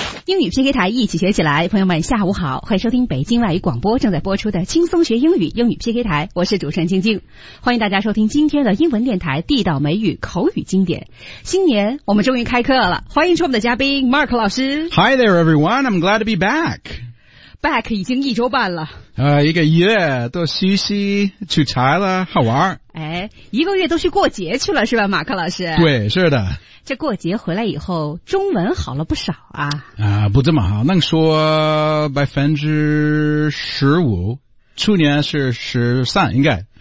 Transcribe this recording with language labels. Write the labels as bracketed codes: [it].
[zh] 英语 PK 台一起学起来，朋友们下午好，欢迎收听北京外语广播正在播出的轻松学英语英语 PK 台，我是主持人晶晶，欢迎大家收听今天的英文电台地道美语口语经典。新年我们终于开课了，欢迎出我们的嘉宾 Mark 老师。 [en] Hi there everyone, I'm glad to be back. [zh] Back 已经一周半了。一个月都休息出差了，好玩。哎，一个月都去过节去了是吧，马克老师？对，是的。这过节回来以后中文好了不少啊。不这么好，能说 15%, 去年是13%应该。